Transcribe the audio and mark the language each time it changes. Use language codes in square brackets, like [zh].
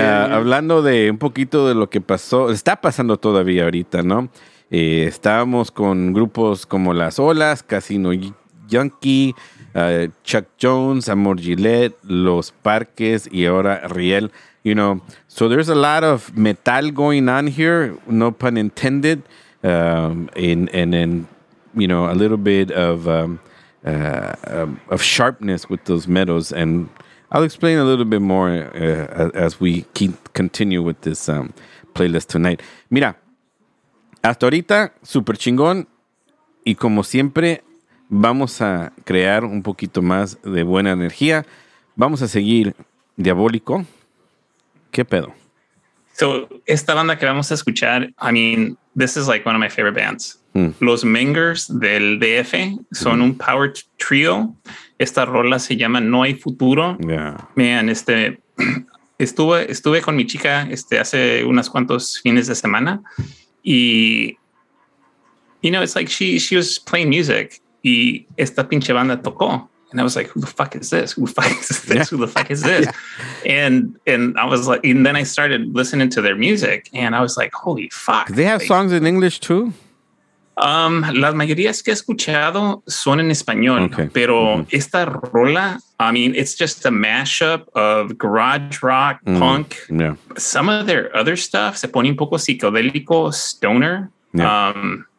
[es] Hablando de un poquito de lo que pasó, está pasando todavía ahorita, ¿no? Estábamos con grupos como Las Olas, Casino Yankee, Chuck Jones, Amor Gillette, Los Parques y ahora Riel. [en] You know, so there's a lot of metal going on here, no pun intended, you know, a little bit of sharpness with those metals, and I'll explain a little bit more as we continue with this playlist tonight. [es] Mira, hasta ahorita, super chingón, y como siempre, vamos a crear un poquito más de buena energía. Vamos a seguir Diabólico. ¿Qué pedo? [en] So, [es] esta banda que vamos a escuchar, [en] I mean, this is like one of my favorite bands. [es] Los Mengers del DF son un power trio. Esta rola se llama No Hay Futuro. [en] Yeah. [es] Man, estuve con mi chica hace unos cuantos fines de semana. [en] Y, you know, it's like she was playing music. [es] Y esta pinche banda tocó. [en] And I was like, who the fuck is this? Who the fuck is this? Yeah. Who the fuck is this? Yeah. And I was like, and then I started listening to their music. And I was like, holy fuck. They have songs in English too? [es] Las mayorías que he escuchado son en español, okay. Pero esta rola, [en] I mean, it's just a mashup of garage rock, punk. Yeah. Some of their other stuff [es] se pone un poco psicodélico, [en] stoner. Yeah.